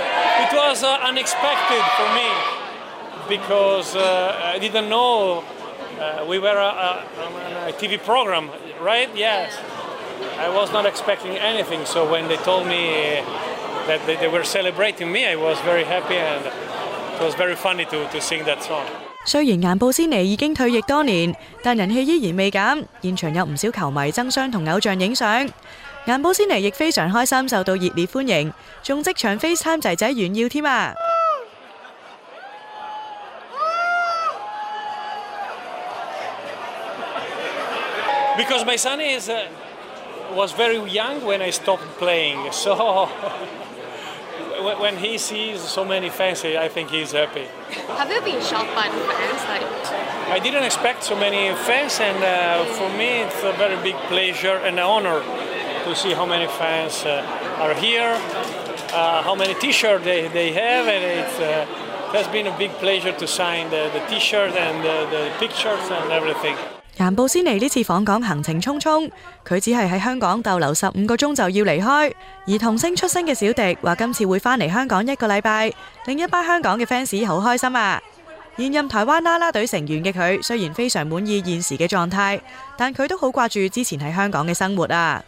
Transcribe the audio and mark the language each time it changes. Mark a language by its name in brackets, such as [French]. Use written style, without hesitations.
[English] It was unexpected for me because I didn't know we were a TV program, right? Yes. I was not expecting anything, so when they told me that they were celebrating me, I was very happy and it was very funny to sing that song. [Cantonese] 虽然颜保仙尼已经退役多年，但人气依然未减，现场有不少球迷争相同偶像影相。颜保仙尼亦非常开心，受到热烈欢迎，仲即场 FaceTime 仔仔炫耀添啊！ [English] Because my son is was very young when I stopped playing, so when he sees so many fans, I think he's happy. Have you been shocked by the fans? I didn't expect so many fans, and for me it's a very big pleasure and an honor to see how many fans are here, how many t-shirts they have, and it has been a big pleasure to sign the t-shirt and the pictures and everything. [Cantonese] 颜保仙尼呢次访港行程匆匆，佢只系喺香港逗留15个钟就要离开。而童星出身嘅小迪话今次会翻嚟香港一个礼拜，令一班香港嘅 fans 好开心啊！现任台湾啦啦队成员嘅佢虽然非常满意现时嘅状态，但佢都好挂住之前喺香港嘅生活啊！